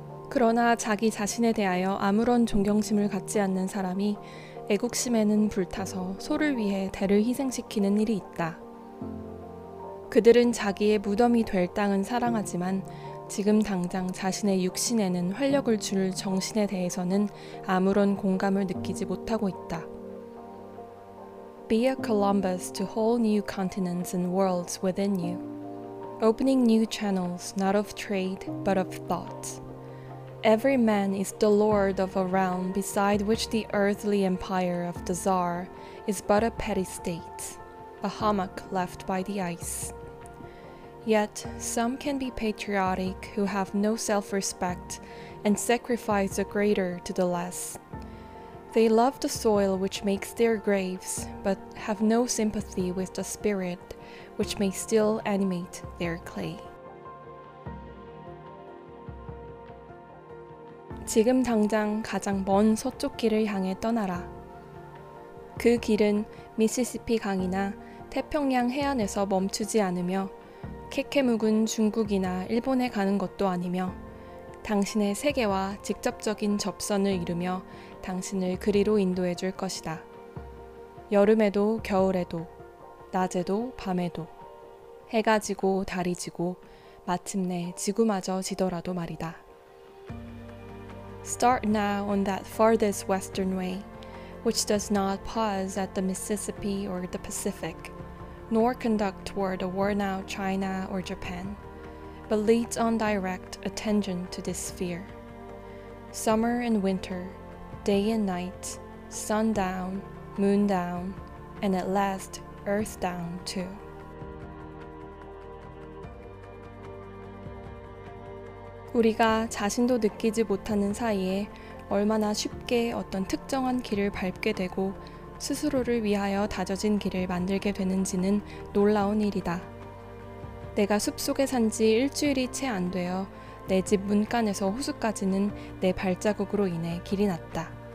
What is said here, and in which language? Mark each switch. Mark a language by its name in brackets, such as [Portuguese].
[Korean] 그러나 자기 자신에 대하여 아무런 존경심을 갖지 않는 사람이 애국심에는 불타서 소를 위해 대를 희생시키는 일이 있다. 그들은 자기의 무덤이 될 땅은 사랑하지만 지금 당장 자신의 육신에는 활력을 줄 정신에 대해서는 아무런 공감을 느끼지 못하고 있다. [English] Be a Columbus to whole new continents and worlds within you, opening new channels not of trade but of thought. Every man is the lord of a realm beside which the earthly empire of the Tsar is but a petty state, a hummock left by the ice. Yet some can be patriotic who have no self-respect and sacrifice the greater to the less. They love the soil which makes their graves, but have no sympathy with the spirit which may still animate their clay. [Korean] 지금 당장 가장 먼 서쪽 길을 향해 떠나라. 그 길은 미시시피 강이나 태평양 해안에서 멈추지 않으며 케케묵은 중국이나 일본에 가는 것도 아니며 당신의 세계와 직접적인 접선을 이루며 당신을 그리로 인도해 줄 것이다. 여름에도 겨울에도 낮에도 밤에도 해가 지고 달이 지고 마침내 지구마저 지더라도 말이다. [English] Start now on that farthest western way, which does not pause at the Mississippi or the Pacific, nor conduct toward a worn-out China or Japan, but leads on direct attention to this sphere. Summer and winter, day and night, sun down, moon down, and at last earth down too. [Korean] 우리가 자신도 느끼지 못하는 사이에 얼마나 쉽게 어떤 특정한 길을 밟게 되고 스스로를 위하여 다져진 길을 만들게 되는지는 놀라운 일이다. 내가 숲속에 산 지 일주일이 채 안 되어 내 집 문간에서 호수까지는 내 발자국으로 인해 길이 났다.